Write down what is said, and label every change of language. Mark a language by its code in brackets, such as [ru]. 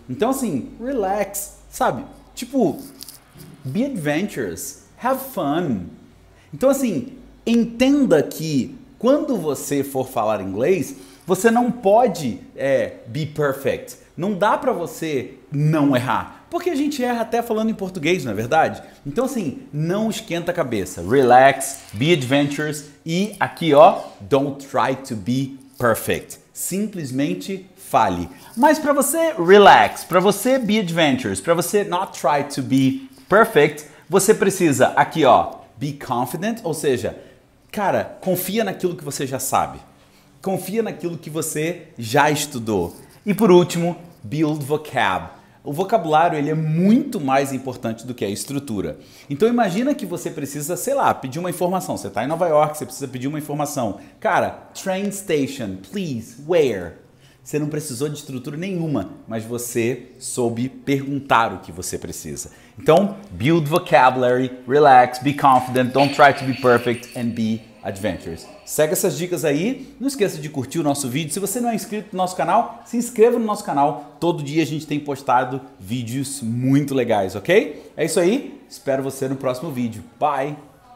[pt] Então, assim, relax, sabe? Tipo, [en] be adventurous, have fun. [pt] Então, assim, entenda que quando você for falar inglês, você não pode, [en] be perfect. [pt] Não dá para você não errar. Porque a gente erra até falando em português, não é verdade? Então, assim, não esquenta a cabeça. [en] Relax, be adventurous [pt] e aqui, ó, [en] don't try to be perfect. [pt] Simplesmente fale. Mas para você relax, para você [en] be adventurous, [pt] para você [en] not try to be perfect, [pt] você precisa aqui, ó, [en] be confident, [pt] ou seja, cara, confia naquilo que você já sabe. Confia naquilo que você já estudou. E por último, [en] build vocab. [pt] O vocabulário, ele é muito mais importante do que a estrutura. Então imagina que você precisa, sei lá, pedir uma informação. Você está em Nova York, você precisa pedir uma informação. [en] Cara, train station, please, where? [pt] Você não precisou de estrutura nenhuma, mas você soube perguntar o que você precisa. Então, [en] build vocabulary, relax, be confident, don't try to be perfect and be adventurous. [pt] Segue essas dicas aí. Não esqueça de curtir o nosso vídeo. Se você não é inscrito no nosso canal, se inscreva no nosso canal. Todo dia a gente tem postado vídeos muito legais, ok? É isso aí. Espero você no próximo vídeo. [en] Bye!